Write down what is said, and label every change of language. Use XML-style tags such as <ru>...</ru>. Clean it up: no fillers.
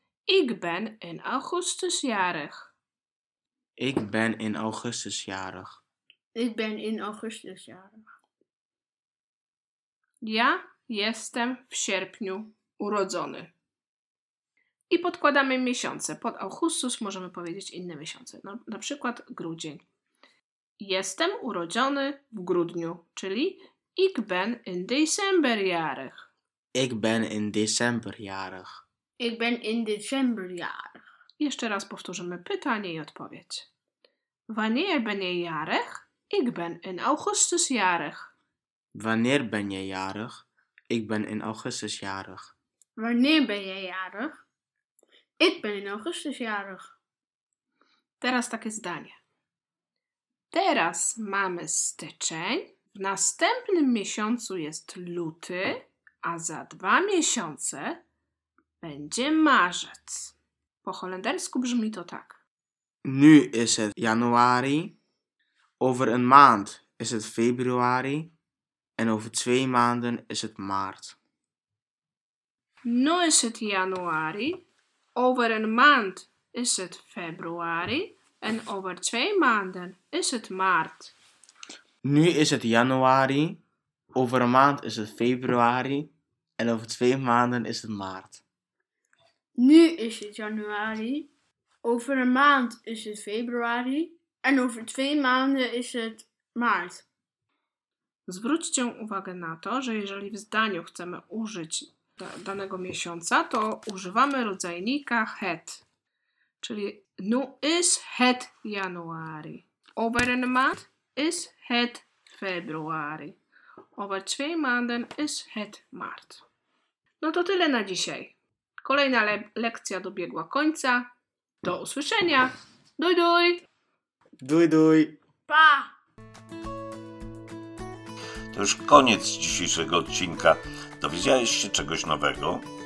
<nl>Ik ben in augustus jarig. Ik ben in augustus jarig. Ik ben in augustus jarig.</nl> <pl>Ja jestem w sierpniu urodzony. I podkładamy miesiące. Pod augustus możemy powiedzieć inne miesiące. No, na przykład grudzień. Jestem urodzony w grudniu, czyli</pl> <nl>ik ben in december jarig. Ik ben in december jarig. Ik ben in december jarig.</nl> <pl>Jeszcze raz powtórzymy pytanie i odpowiedź.</pl> <nl>Wanneer ben jij jarig? Ik ben in augustus jarig. Wanneer ben jij jarig? Ik ben in augustus jarig. Wanneer ben jij jarig? Ik ben in augustus jarig.</nl> <pl>Teraz takie zdanie. Teraz mamy styczeń, w następnym miesiącu jest luty, a za dwa miesiące będzie marzec. Po holendersku brzmi to tak.</pl> <nl>Nu is het januari, over een maand is het februari en over twee maanden is het maart. Nu is het januari. Over een maand is het februari en over twee maanden is het maart. Nu is het januari, over een maand is het februari en over twee maanden is het maart. Nu is het januari, over een maand is het februari en over twee maanden is het maart.</nl> <pl>Zwróćcie uwagę na to, że jeżeli w zdaniu chcemy użyć danego miesiąca, to używamy rodzajnika het. Czyli</pl> <nl>nu is het januari. Over een maand is het februari. Over twee maanden is het maart.</nl> <pl>No to tyle na dzisiaj. Kolejna lekcja dobiegła końca. Do usłyszenia.</pl> <nl>Doj, doj. Doj, doj.</nl> <pl>Pa. To już koniec dzisiejszego odcinka. Dowiedziałeś się czegoś nowego?</pl>